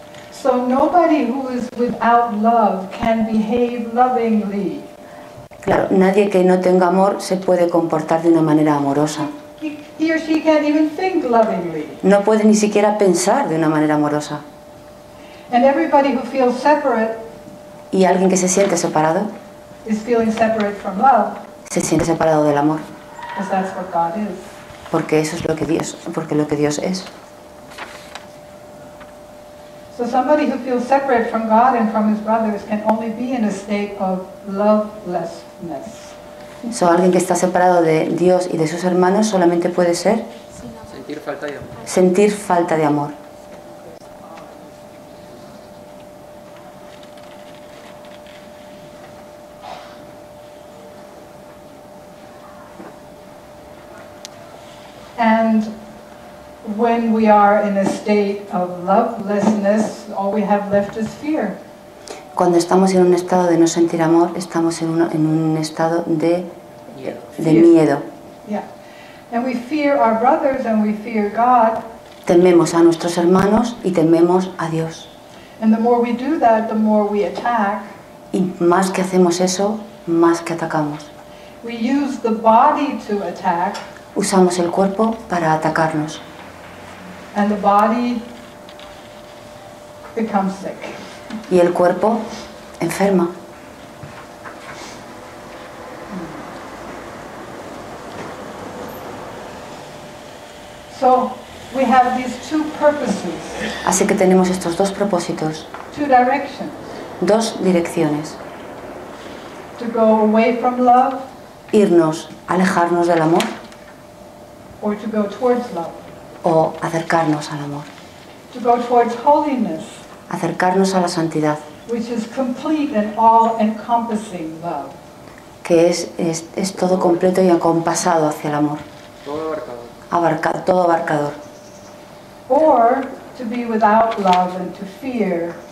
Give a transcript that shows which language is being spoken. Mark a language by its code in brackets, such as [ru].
[en] So nobody who is without love can behave lovingly. [es] Claro, nadie que no tenga amor se puede comportar de una manera amorosa. [en] He or she can't even think lovingly. [es] No puede ni siquiera pensar de una manera amorosa. [en] And everybody who feels separate. [es] Y alguien que se siente separado [en] is feeling separate from love, [es] se siente separado del amor. [en] Because that's what God is. [es] Porque eso es lo que Dios, porque lo que Dios es. [en] So somebody who feels separate from God and from his brothers can only be in a state of lovelessness. [es] So alguien que está separado de Dios y de sus hermanos solamente puede ser sentir falta de amor. Sentir falta de amor. [en] And when we are in a state of lovelessness, all we have left is fear. [es] Cuando estamos en un estado de no sentir amor, estamos en un estado de miedo. [en] Yeah. And we fear our brothers and we fear God. [es] Tememos a nuestros hermanos y tememos a Dios. [en] And the more we do that, the more we attack. [es] Y más que hacemos eso, más que atacamos. [en] We use the body to attack. [es] Usamos el cuerpo para atacarnos. [en] And the body becomes sick. [es] Y el cuerpo enferma. [en] So we have these two purposes. [es] Así que tenemos estos dos propósitos. [en] Two directions. [es] Dos direcciones. [en] To go away from love. [es] Irnos, alejarnos del amor. [en] Or to go towards love. [es] O acercarnos al amor. [en] To go towards holiness. [es] Acercarnos a la santidad. [en] Which is complete and all-encompassing love. [es] Que es todo completo y acompasado hacia el amor. Todo abarcador. Todo abarcador. [en] Or to be without love and to fear.